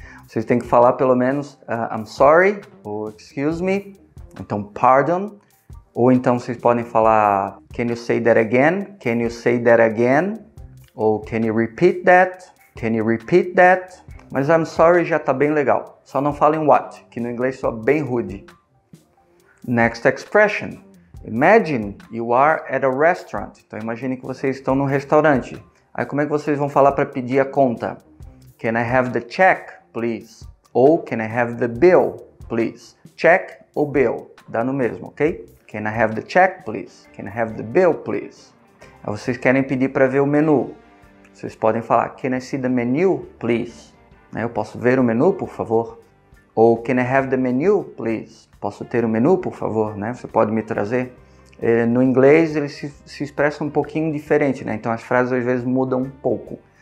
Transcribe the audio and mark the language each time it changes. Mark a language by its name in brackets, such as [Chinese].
[Portuguese] Vocês têm que falar pelo menos I'm sorry, ou excuse me, então pardon. Ou então vocês podem falar [English] can you say that again? Can you say that again? Ou can you repeat that? Can you repeat that? Mas I'm sorry [Portuguese] já tá bem legal. Só não falem what, que no inglês soa bem rude. [English] Next expression. Imagine you are at a restaurant. [Portuguese] Então imagine que vocês estão num restaurante. Aí como é que vocês vão falar para pedir a conta? [English] Can I have the check, please? Ou can I have the bill, please? [Portuguese] Check ou bill, dá no mesmo, ok? [English] Can I have the check, please? Can I have the bill, please? [Portuguese] Aí vocês querem pedir para ver o menu. Vocês podem falar, [English] can I see the menu, please? [Portuguese] Eu posso ver o menu, por favor? Ou, [English] can I have the menu, please? [Portuguese] Posso ter o menu, por favor? Você pode me trazer? No inglês eles se expressam um pouquinho diferente, né? Então as frases às vezes mudam um pouco.